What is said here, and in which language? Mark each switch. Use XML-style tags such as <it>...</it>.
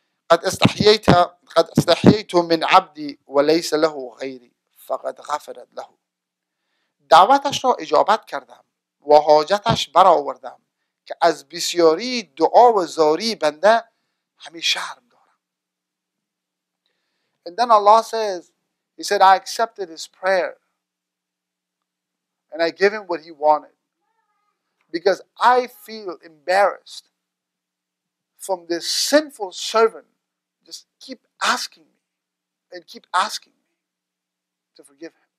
<ar>قد استحييت من عبدي وليس له غيري فقد غفرت له.</ar> <fa>دعوتش را اجابت کردم و حاجتش برآوردم که از بسیاری دعا و زاری بنده همی شرم دارم.</fa> <en>And then Allah says, He said, I accepted his prayer and I gave him what he wanted because I feel embarrassed from this sinful servant. Just keep asking me and keep asking me to forgive him.</en>